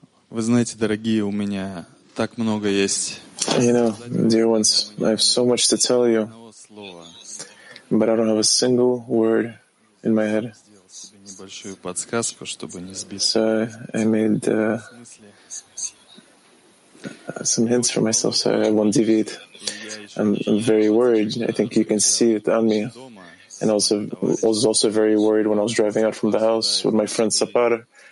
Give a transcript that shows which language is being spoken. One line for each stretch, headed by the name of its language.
Russian: Вы знаете, дорогие, у меня так много есть.
English: You know, dear ones, I have so much to tell you, but I don't have a single word in my head.
Russian: Небольшую подсказку, чтобы не сбить.
English: So I made some hints for myself, so I won't deviate. I'm very worried. I think you can see it on me. And I was also very worried when I was driving out from the house with my friend Sapar.